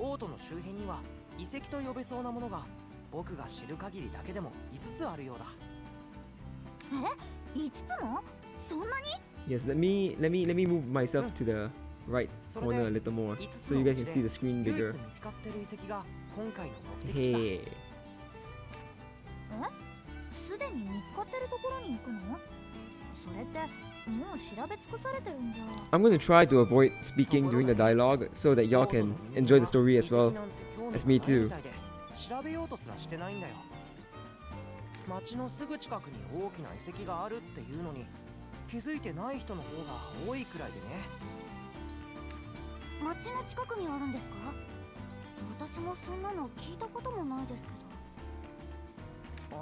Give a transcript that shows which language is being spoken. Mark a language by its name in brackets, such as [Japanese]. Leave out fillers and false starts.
[Japanese] 王都の周辺には遺跡と呼べそうなものが僕が知る限りだけでも5つあるようだ。え、5つも？そんなに？ [English] Yes, let me move myself to the right corner a little more so you guys can see the screen bigger. [Japanese] 唯一見つかってる遺跡が今回の目的地だ。 [English] Hey. [Japanese] え、すでに見つかってるところに行くの？それってもう調べ尽くされてるんじゃ。 [English] I'm going to try to avoid speaking during the dialogue so that y'all can enjoy the story as well as me too. [Japanese] 調べようとすらしてないんだよ。町のすぐ近くに大きな遺跡があるっていうのに気づいてない人の方が多いくらいでね。町の近くにあるんですか？私もそんなの聞いたこともないですけど。